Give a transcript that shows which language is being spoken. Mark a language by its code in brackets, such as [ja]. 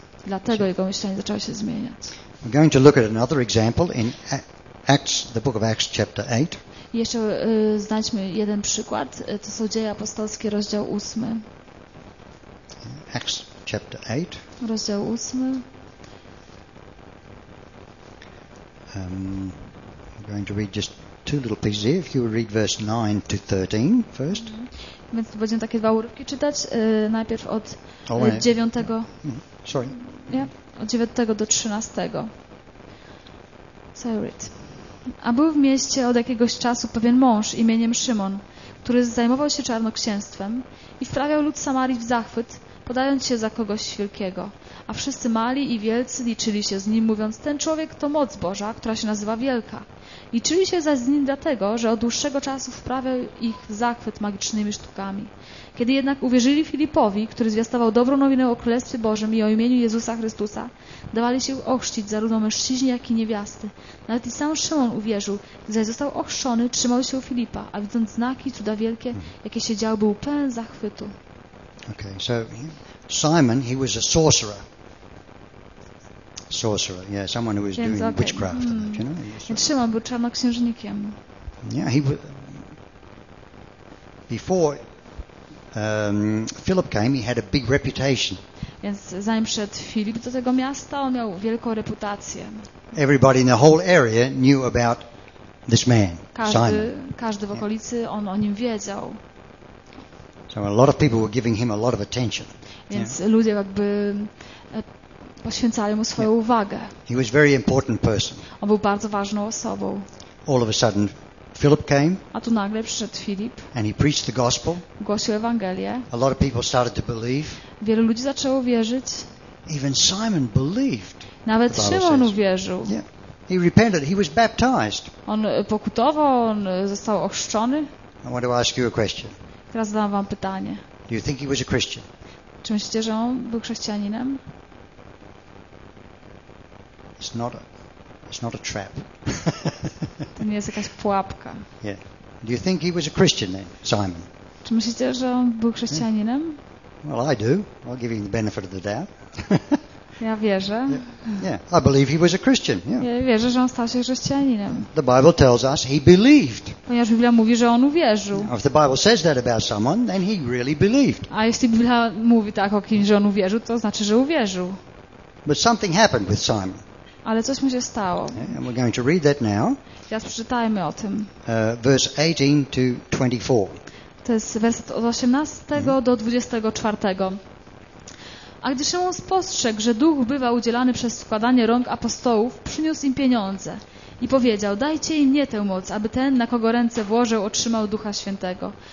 [pl] Dlatego jego myślenie zaczęło się zmieniać. [en] We're going to look at another example in Acts, the book of Acts, chapter 8. [pl] I jeszcze znajdźmy jeden przykład. To są Dzieje Apostolskie, rozdział 8. [en] Acts, chapter 8. [pl] Rozdział 8. [en] We're going to read just two little pieces here. If you would read verse 9 to 13 first. [pl] Więc będziemy takie dwa urywki czytać. Najpierw od 9. [en] Sorry. Yeah, [pl] od 9 do 13. [en] So I read. [pl] A był w mieście od jakiegoś czasu pewien mąż imieniem Szymon, który zajmował się czarnoksięstwem i wprawiał lud Samarii w zachwyt, podając się za kogoś wielkiego. A wszyscy mali i wielcy liczyli się z nim, mówiąc, ten człowiek to moc Boża, która się nazywa wielka. Liczyli się zaś z nim dlatego, że od dłuższego czasu wprawiał ich w zachwyt magicznymi sztukami. Kiedy jednak uwierzyli Filipowi, który zwiastował dobrą nowinę o Królestwie Bożym i o imieniu Jezusa Chrystusa, dawali się ochrzcić zarówno mężczyźni, jak i niewiasty. Nawet i sam Szymon uwierzył, gdy został ochrzczony, trzymał się u Filipa, a widząc znaki i cuda wielkie, jakie się działy, był pełen zachwytu. [en] Okay, so Simon, he was a sorcerer. Sorcerer, yeah, someone who was doing witchcraft. [pl] Szymon był czarnoksiężnikiem. [en] Yeah, he was... Before Philip came, he had a big reputation. [pl] Więc zanim przyszedł Filip do tego miasta, on miał wielką reputację. [en] Everybody in the whole area knew about this man, Simon. [pl] Każdy w okolicy, yeah, on o nim wiedział. [en] So a lot of people were giving him a lot of attention. [pl] Więc ludzie jakby poświęcali mu swoją uwagę. [en] He was very important person. [pl] On był bardzo ważną osobą. [en] All of a sudden, Philip came. [pl] A tu nagle przyszedł Filip. [en] And he preached the gospel. [pl] Głosił Ewangelię. [en] A lot of people started to believe. [pl] Wielu ludzi zaczęło wierzyć. [en] Even Simon believed. [pl] Nawet Szymon uwierzył. [en] Yeah. He repented. He was baptized. [pl] On pokutował, on został ochrzczony. [en] I want to ask you a question. [pl] Teraz zadam wam pytanie. [en] Do you think he was a Christian? [pl] Czy myślicie, że on był chrześcijaninem? [en] It's not a trap. [pl] To nie jest jakaś pułapka. [en] Yeah. Do you think he was a Christian then, Simon? [pl] Czy myślicie, że on był chrześcijaninem? [en] Yeah. Well, I do. I'll give him the benefit of the doubt. [pl] Ja wierzę. [en] Yeah. Yeah. I believe he was a Christian. Yeah. [pl] Ja wierzę, że on stał się chrześcijaninem. [en] The Bible tells us he believed. [pl] Ponieważ Biblia mówi, że on uwierzył. [en] Now, if the Bible says that about someone, then he really believed. [pl] A jeśli Biblia mówi tak o kimś, że on uwierzył, to znaczy, że uwierzył. [en] But something happened with Simon. [pl] Ale coś mu się stało. [en] Yeah, and we're going to read that now. [pl] Teraz przeczytajmy o tym. [en] Verse 18 to 24. [pl] To jest werset od 18 do 24. A gdy Szymon spostrzegł, że duch bywa udzielany przez składanie rąk apostołów, przyniósł im pieniądze i powiedział, dajcie im nie tę moc, aby ten, na kogo ręce włożył, otrzymał Ducha Świętego.